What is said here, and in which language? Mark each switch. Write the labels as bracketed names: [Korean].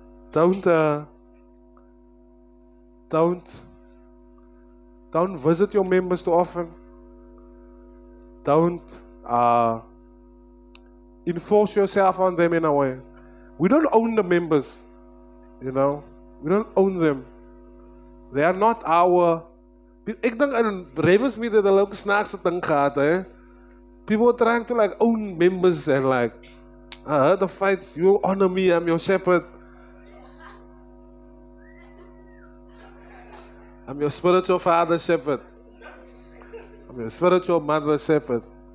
[English] Don't visit your members too often. Don't enforce yourself on them in a way. We don't own the members, you know. We don't own them. They are not our [Afrikaans] Ek dink in Ravensmead het hulle ook snaakse ding gehad, hè. [English] People were trying to like own members and like the fights, you honor me, I'm your shepherd. I'm your spiritual father shepherd. I'm your spiritual mother shepherd.